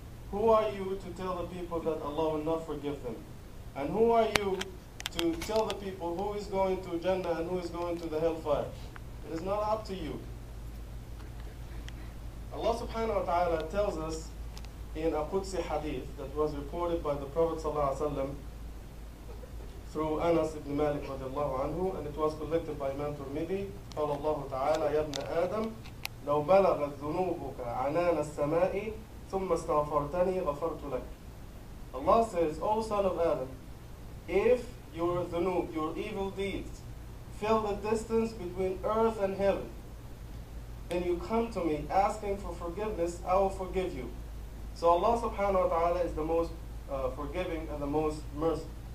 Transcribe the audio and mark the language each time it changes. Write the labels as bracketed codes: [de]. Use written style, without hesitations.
[en] Who are you to tell the people that Allah will not forgive them? And who are you to tell the people who is going to Jannah and who is going to the hellfire? It is not up to you. Allah subhanahu wa ta'ala tells us in a Qudsi hadith that was reported by the Prophet sallallahu alayhi wa sallam through Anas ibn Malik radiallahu anhu, and it was collected by Imam Tirmidhi. [ar] قال الله تعالى يا ابن آدم لو بلغت ذنوبك عنان السماء ثم استغفرتني غفرت لك. [en] Allah says, O son of Adam, if your dhunub, your evil deeds, fill the distance between earth and heaven, then you come to me asking for forgiveness, I will forgive you. So Allah subhanahu wa ta'ala is the most forgiving and the most merciful.